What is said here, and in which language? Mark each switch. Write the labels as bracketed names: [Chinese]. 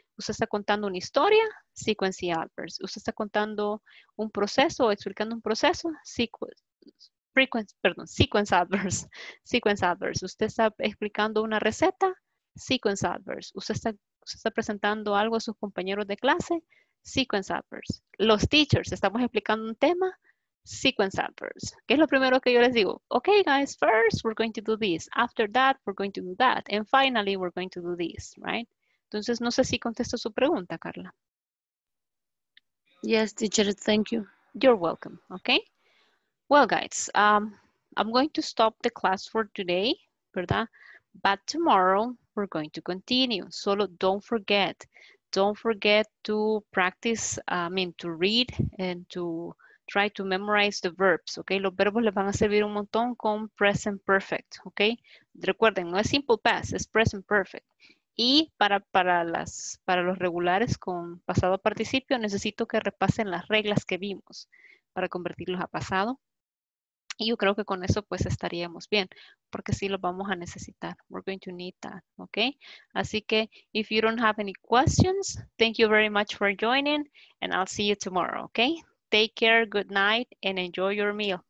[Spanish] Usted está contando una historia, sequence adverbs. Usted está contando un proceso o explicando un proceso, sequence adverbs. Usted está explicando una receta, sequence adverbs. Usted está presentando algo a sus compañeros de clase, sequence adverbs. Los teachers, estamos explicando un tema, sequence adverbs. ¿Qué es lo primero que yo les digo? [English] Okay, guys, first we're going to do this. After that, we're going to do that. And finally, we're going to do this, right? [Spanish] Entonces, no sé si contesto su pregunta, Carla. [English] Yes, teacher, thank you. You're welcome, okay? Well, guys, I'm going to stop the class for today, ¿verdad? But tomorrow, we're going to continue. Solo don't forget to practice, to read and to try to memorize the verbs, okay? [Spanish] Los verbos les van a servir un montón con present perfect, okay? Recuerden, no es simple past, es present perfect. Y para los regulares con pasado participio, necesito que repasen las reglas que vimos para convertirlos a pasado. Y yo creo que con eso pues estaríamos bien, porque sí los vamos a necesitar. [English] We're going to need that, okay? [Spanish] Así que, [English] if you don't have any questions, thank you very much for joining, and I'll see you tomorrow, okay? Take care, good night, and enjoy your meal.